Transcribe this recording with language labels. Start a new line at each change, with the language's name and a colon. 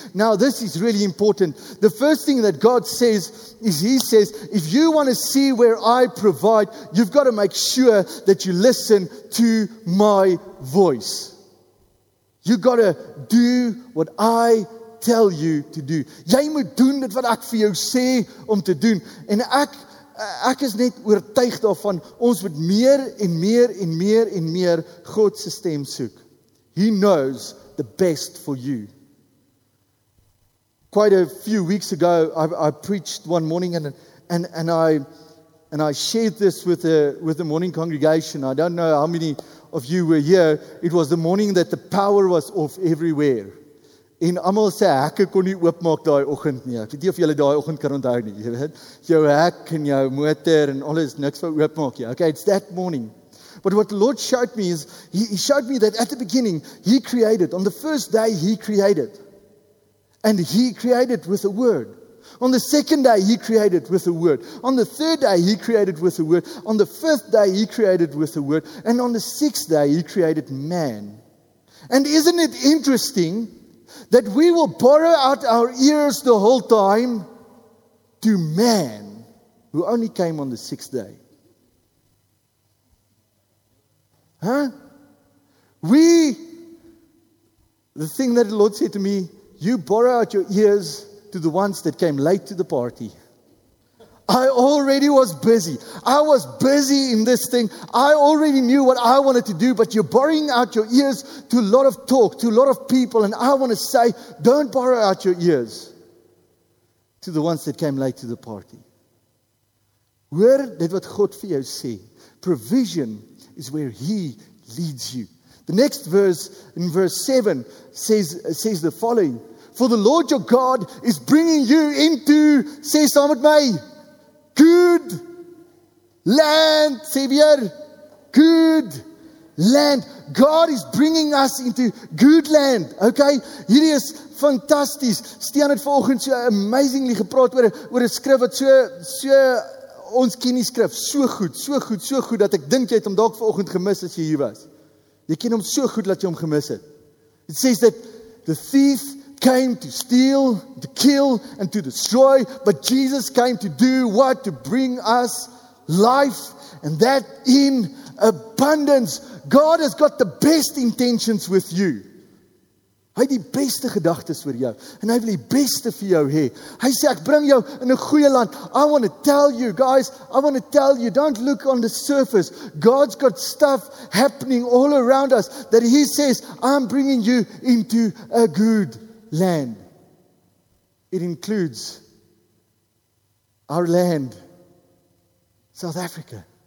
English: Now, this is really important. The first thing that God says is, He says, if you want to see where I provide, you've got to make sure that you listen to my voice. You've got to do what I tell you to do.
Afrikaans: Jy moet doen dit wat ek vir jou sê om te doen. En ek is net oortuig daarvan, ons moet meer en meer en meer en meer God se stem soek.
English: He knows the best for you. Quite a few weeks ago, I preached one morning and I shared this with the morning congregation. I don't know how many of you were here. It was the morning that the power was off everywhere.
Afrikaans: En almal sê, hekke kon nie oopmaak daai oggend nie. Ek weet nie of julle daai oggend kan onthou nie. Jy weet, jou hek en jou motor en alles niks wou oopmaak nie.
English: Okay, it's that morning. But what the Lord showed me is, He showed me that at the beginning, He created. On the first day, He created. And He created with a word. On the second day, He created with a word. On the third day, He created with a word. On the fifth day, He created with a word. And on the sixth day, He created man. And isn't it interesting that we will borrow out our ears the whole time to man, who only came on the sixth day? Huh? The thing that the Lord said to me, you borrow out your ears to the ones that came late to the party. I already was busy. I was busy in this thing. I already knew what I wanted to do, but you're borrowing out your ears to a lot of talk, to a lot of people, and I want to say, don't borrow out your ears to the ones that came late to the party.
Afrikaans: Hoor dit wat God vir jou sê.
English: Provision is where He leads you. The next verse in verse 7 says the following. For the Lord your God is bringing you into, say some with me, good land, Savior. Good land. God is bringing us into good land. Okay?
Afrikaans: Hierdie is fantasties. Stian het vanoggend so amazingly gepraat oor 'n skrif wat so ons ken die skrif so goed dat ek dink jy het hom dalk vanoggend gemis as jy hier was. Jy ken hom so goed dat jy hom gemis het.
English: It says that the thief came to steal, to kill and to destroy, but Jesus came to do what? To bring us life and that in abundance. God has got the best intentions with you.
Afrikaans: Hy het die beste gedagtes vir jou en hy wil die beste vir jou hê. Hy sê ek bring jou in 'n goeie land.
English: I want to tell you guys, I want to tell you, don't look on the surface. God's got stuff happening all around us that he says, I'm bringing you into a good land. It includes our land, South Africa.